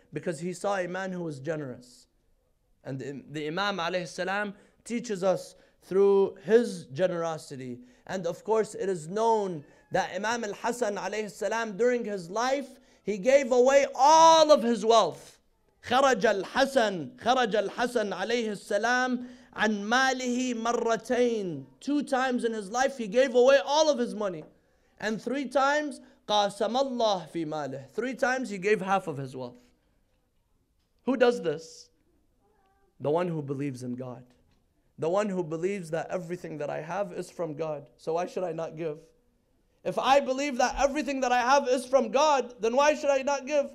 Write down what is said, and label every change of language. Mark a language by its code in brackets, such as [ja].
[en] Because he saw a man who was generous. And the Imam alayhi salam teaches us through his generosity. And of course, it is known that Imam al-Hasan alayhi salam, during his life, he gave away all of his wealth. [ar] خرج الحسن عليه السلام عن ماله مرتين. [en] Two times in his life he gave away all of his money. And three times [ar] قاسم الله في ماله. [en] Three times he gave half of his wealth. Who does this? The one who believes in God. The one who believes that everything that I have is from God. So why should I not give? If I believe that everything that I have is from God, then why should I not give?